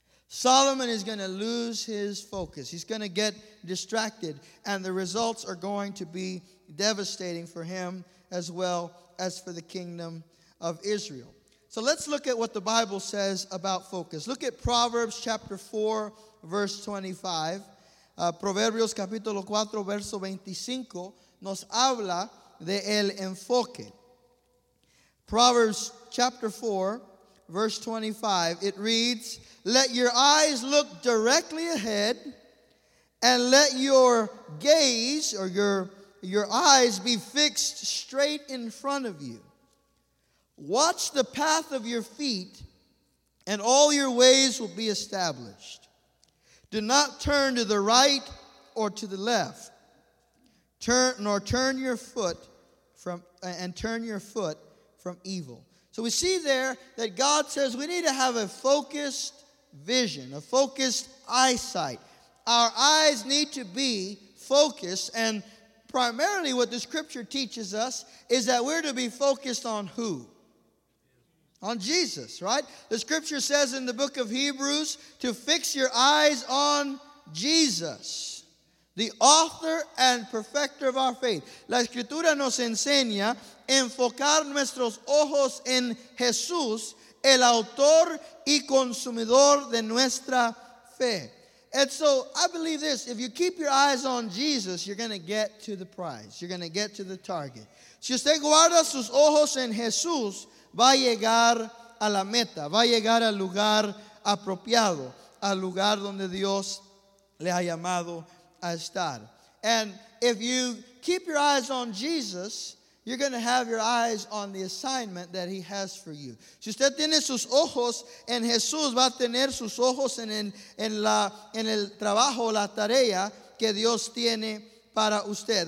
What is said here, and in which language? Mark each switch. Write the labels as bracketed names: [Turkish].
[English] Solomon is going to lose his focus. He's going to get distracted, and the results are going to be devastating for him as well as for the kingdom of Israel. So let's look at what the Bible says about focus. Look at Proverbs chapter 4, verse 25. [Spanish] Proverbios capítulo 4, verso 25, nos habla de el enfoque. [English] Proverbs chapter 4, verse 25, it reads, "Let your eyes look directly ahead, and let your gaze," or your eyes, "be fixed straight in front of you. Watch the path of your feet, and all your ways will be established. Do not turn to the right or to the left, turn your foot from evil. So we see there that God says we need to have a focused vision, a focused eyesight. Our eyes need to be focused, and primarily what the scripture teaches us is that we're to be focused on who? On Jesus, right? The scripture says in the book of Hebrews to fix your eyes on Jesus, the author and perfecter of our faith. [Spanish] La escritura nos enseña enfocar nuestros ojos en Jesús, el autor y consumidor de nuestra fe. [English] And so I believe this: if you keep your eyes on Jesus, you're going to get to the prize. You're going to get to the target. [Spanish] Si usted guarda sus ojos en Jesús, va a llegar a la meta, va a llegar al lugar apropiado, al lugar donde Dios le ha llamado a estar. [English] And if you keep your eyes on Jesus, you're going to have your eyes on the assignment that he has for you. [Spanish] Si usted tiene sus ojos en Jesús, va a tener sus ojos en el trabajo, la tarea que Dios tiene para usted.